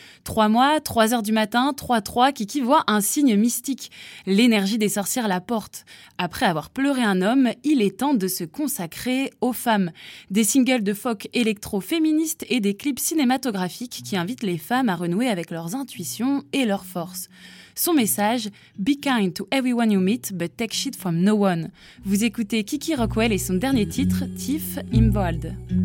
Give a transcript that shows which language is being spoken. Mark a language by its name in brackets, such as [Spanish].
[French] 3 mois, 3h du matin, 3-3, Kiki voit un signe mystique. L'énergie des sorcières la porte. Après avoir pleuré un homme, il est temps de se consacrer aux femmes. Des singles de folk électro-féministes et des clips cinématographiques qui invitent les femmes à renouer avec leurs intuitions et leurs forces. Son message, [English] be kind to everyone you meet, but take shit from no one. [French] Vous écoutez Kiki Rockwell et son dernier titre, Tief im Wald.